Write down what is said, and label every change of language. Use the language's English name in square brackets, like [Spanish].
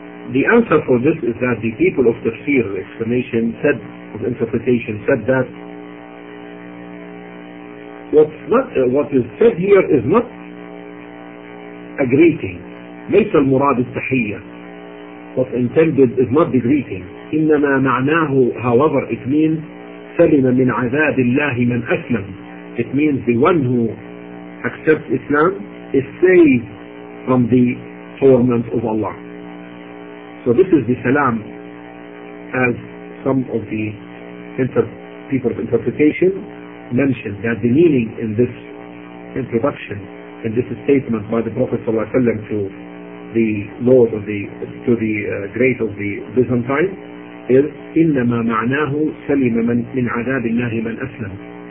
[English] The answer for this is that the people of tafsir, explanation, said, of interpretation, said that what is said here is not a greeting. [Arabic] ليس المراد التحية. [English] What intended is not the greeting. [Arabic] إنما معناه, [English] however, it means [Arabic] سلم من عذاب الله من أسلم. [English] It means the one who accepts Islam is saved from the torment of Allah. So this is the salam, as some of the people of interpretation mentioned, that the meaning in this introduction, in this statement by the Prophet ﷺ to the Lord of the, to the great of the Byzantine, is [Arabic] إنما معناه سلم من عذاب الله من أسلم.